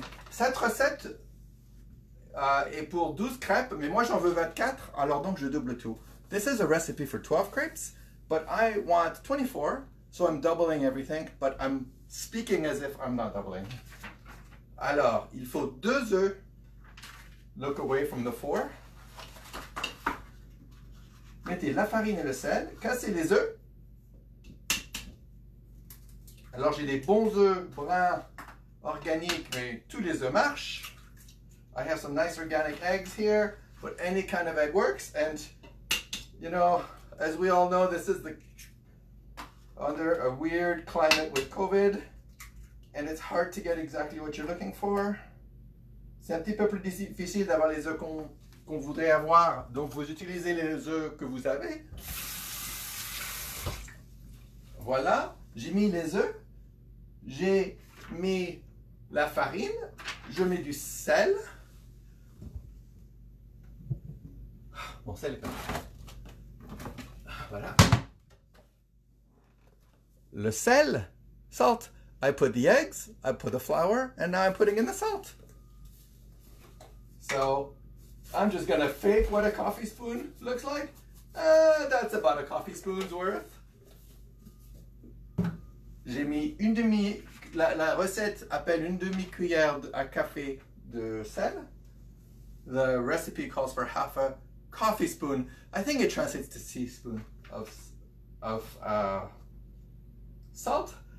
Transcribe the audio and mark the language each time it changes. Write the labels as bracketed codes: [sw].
[fr] Cette recette est pour 12 crêpes, mais moi j'en veux 24, alors donc je double tout. [en] This is a recipe for 12 crepes, but I want 24. So I'm doubling everything, but I'm speaking as if I'm not doubling. [fr] Alors, il faut 2 œufs. [en] Look away from the 4. [fr] Mettez la farine et le sel. Cassez les œufs. Alors, j'ai des bons œufs bruns organiques, mais tous les œufs marchent. [en] I have some nice organic eggs here, but any kind of egg works. And You know, as we all know, this is the under a weird climate with COVID, and it's hard to get exactly what you're looking for. [fr] C'est un petit peu plus difficile d'avoir les œufs qu'on voudrait avoir. Donc vous utilisez les œufs que vous avez. Voilà, j'ai mis les œufs. J'ai mis la farine. Je mets du sel. Bon, sel. Voilà. Le sel, salt. [en] I put the eggs, I put the flour, and now I'm putting in the salt. So, I'm just gonna fake what a coffee spoon looks like. That's about a coffee spoon's worth. [fr] J'ai mis une demi, la recette appelle une demi cuillère à café de sel. [en] The recipe calls for half a coffee spoon. I think it translates to teaspoon of salt.